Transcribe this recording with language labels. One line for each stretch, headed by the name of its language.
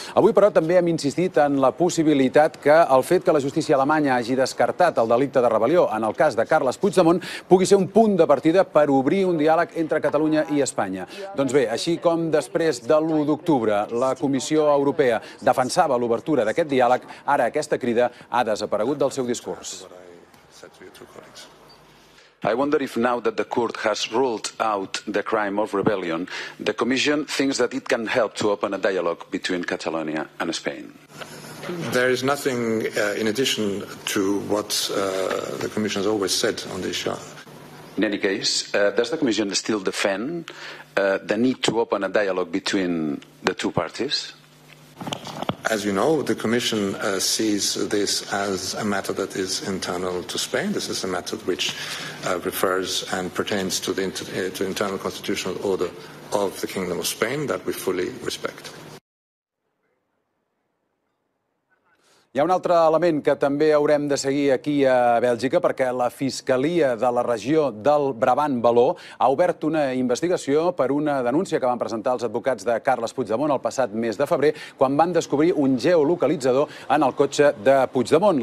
Catalan: Avui, però, també hem insistit en la possibilitat que el fet que la justícia alemanya hagi descartat el delicte de rebel·lió en el cas de Carles Puigdemont pugui ser un punt de partida per obrir un diàleg entre Catalunya i Espanya. Doncs bé, així com després de l'1 d'octubre la Comissió Europea defensava l'obertura d'aquest diàleg, ara aquesta crida ha desaparegut del seu discurs.
English: I wonder if now that the court has ruled out the crime of rebellion, the commission thinks that it can help to open a dialogue between Catalonia and Spain. There is nothing in addition to what the commission has always said on this issue. In any case, does the commission still defend the need to open a dialogue between the two parties? As you know, the Commission sees this as a matter that is internal to Spain. This is a matter which refers and pertains to the internal constitutional order of the Kingdom of Spain that we fully respect.
Catalan: Hi ha un altre element que també haurem de seguir aquí a Bèlgica, perquè la Fiscalia de la Regió del Brabant Való ha obert una investigació per una denúncia que van presentar els advocats de Carles Puigdemont el passat mes de febrer, quan van descobrir un geolocalitzador en el cotxe de Puigdemont.